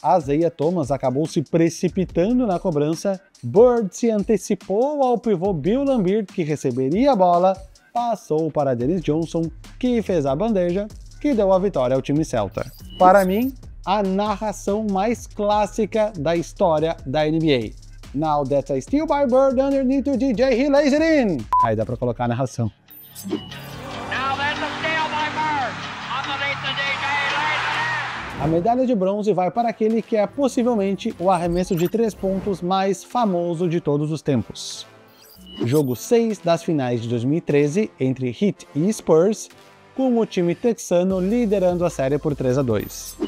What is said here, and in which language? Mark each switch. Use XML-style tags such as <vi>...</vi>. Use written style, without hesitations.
<pt>Isaiah Thomas acabou se precipitando na cobrança, Bird se antecipou ao pivô Bill Laimbeer, que receberia a bola, passou para Dennis Johnson, que fez a bandeja, que deu a vitória ao time Celta. Para mim, a narração mais clássica da história da NBA.</pt> <en>Now that's a steal by Bird underneath the DJ, he lays it in!</en> <pt>Aí dá pra colocar a narração. A medalha de bronze vai para aquele que é possivelmente o arremesso de 3 pontos mais famoso de todos os tempos. Jogo 6 das finais de 2013 entre Heat e Spurs, com o time texano liderando a série por 3-2.</pt>